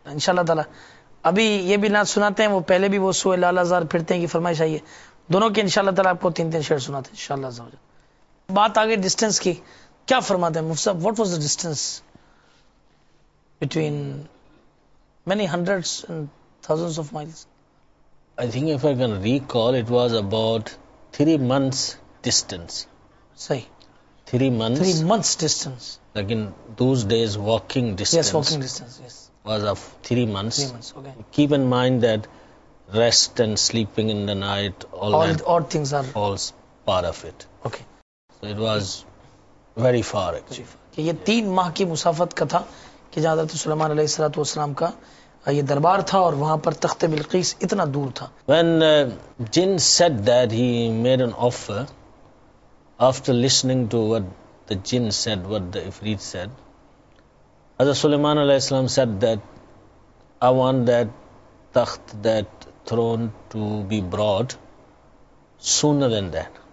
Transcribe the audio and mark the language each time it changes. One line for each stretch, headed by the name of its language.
Urdu: ان شاء اللہ تعالیٰ ابھی یہ بھی نعت سناتے ہیں, وہ پہلے بھی وہ سوئے لال ہزار پھرتے ہیں کی فرمائش آئیے. دونوں کی ان شاء اللہ تعالیٰ آپ کو تین تین شعر سناتے ہیں ان شاء اللہ. بات آگے ڈسٹینس کی, کیا فرماتے ہیں مفتی صاحب,
English: What was the distance between many hundreds and thousands of miles? I think if I can recall, it was about 3 months distance. Say 3 months. 3 months distance. Like in those days, walking distance. Yes, walking distance. Yes. Was of 3 months. 3 months. Okay. Keep in mind that rest and sleeping in the night, all things are falls part of it. Okay. So it was very far actually.
Urdu: کہ یہ 3 ماہ کی مسافت کا تھا کہ جہاں حضرت سلیمان علیہ الصلوۃ والسلام کا یہ دربار تھا اور وہاں پر تخت بلقیس اتنا دور تھا.
English: When jinn said that, he made an offer. After listening to what the jinn said, what the ifrit said, Hazrat Sulaiman alayhi salam said that I want that takht, that throne to be brought sooner than that.